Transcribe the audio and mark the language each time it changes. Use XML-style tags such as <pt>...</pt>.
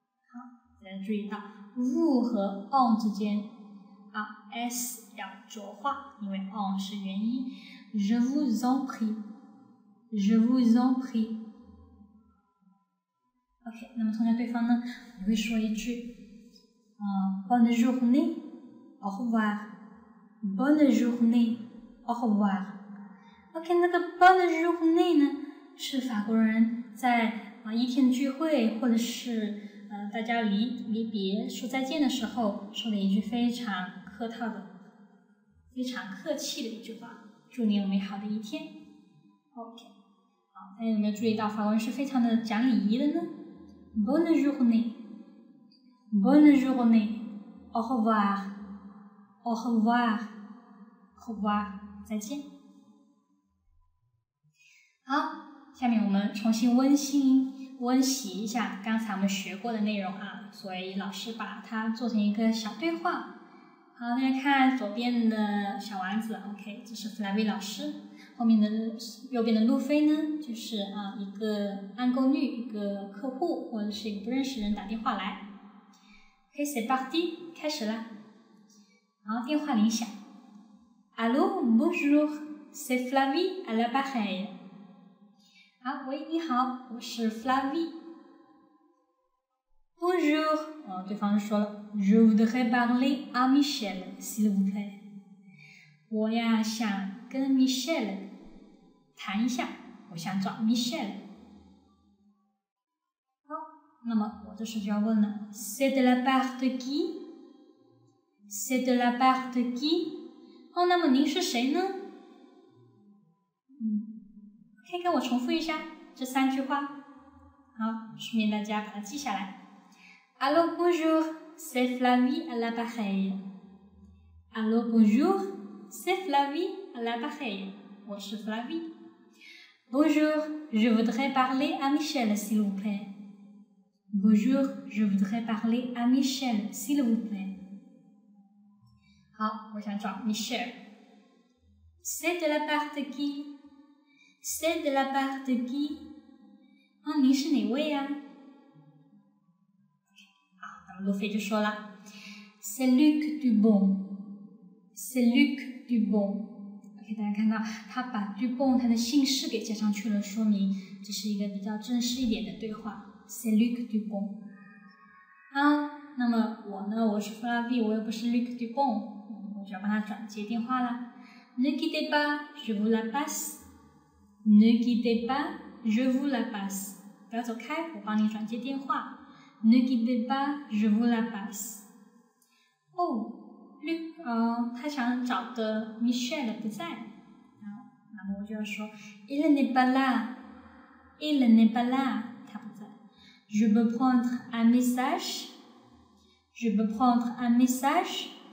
<zh>好，大家注意到 ，vous 和 on 之间啊 ，s 要浊化，因为 on 是元音。</zh> <fr>Je vous en prie, je vous en prie。</fr> <zh>OK， 那么通常对方呢，你会说一句，</zh> <fr>Bonne journée, au revoir. Bonne journée, au revoir.</fr> <zh>OK， 那个</zh> <fr>Bonne journée</fr> <zh>呢，是法国人在一天聚会或者是大家离别说再见的时候说的一句非常客套的、非常客气的一句话，祝你有美好的一天。 OK， 好，大家有没有注意到法国人是非常的讲礼仪的呢？</zh> <fr>Bonne journée, bonne journée, au revoir, au revoir, au revoir,</fr> <zh>再见。好，下面我们重新温习一下刚才我们学过的内容啊，所以老师把它做成一个小对话。好，大家看左边的小丸子 ，OK， 这是弗兰威老师。后面的右边的路飞呢，就是啊一个安宫女，一个客户或者是一个不认识人打电话来。 OK，</zh> <fr>c'est parti，</fr> <zh>开始了。然后电话铃响。</zh> <fr>Allô， bonjour， c'est Flavie à l'appareil。</fr> <zh>啊，喂，你好，我是 Flavie。</zh> <fr>Bonjour，</fr> <zh>对方说了 ，</zh> <fr>Je voudrais parler à Michel， s'il vous plaît。</fr> <zh>我呀想跟 Michelle 谈一下，我想找 Michelle。好，那么我这时就要问了 ，</zh> <fr>C'est de la part de qui？ C'est de la part de qui？</fr> <zh>哦，那么您是谁呢？可以跟我重复一下这三句话。好，顺便大家把它记下来。</zh> <fr>Allô bonjour, c'est Flavie à l'appareil. Allô bonjour, c'est Flavie à l'appareil.</fr> <zh>我是</zh> <fr>Flavie. Bonjour, je voudrais parler à Michel, s'il vous plaît. Bonjour, je voudrais parler à Michel, s'il vous plaît.</fr> <zh>好，我想找 Michel.</zh> <fr>C'est de la part de qui? C'est de la part de qui?</fr> <zh>哦，您是哪位呀？路飞就说了 ，</zh> <fr>C'est Luc Dubon, c'est Luc Dubon。</fr> <zh>OK， 大家看到他把 Dubon 他的姓氏给加上去了，说明这是一个比较正式一点的对话。</zh> <fr>C'est Luc Dubon。</fr> <zh>啊，那么我呢？我是 Flavie， 我又不是 Luc Dubon， 我就要帮他转接电话了。</zh> <fr>Ne quittez pas, je vous la passe. Ne quittez pas, je vous la passe。</fr> <zh>不要走开，我帮你转接电话。</zh> <fr>Ne quittez pas, je vous la passe. Oh, Luc,</fr> <zh>他想找的</zh> <fr>Michel</fr> <zh>不在，然后我就要说 ，</zh> <fr>Il n'est pas là, il n'est pas là,</fr> <zh>他不在。</zh> <fr>Je peux prendre un message, je peux prendre un message.</fr>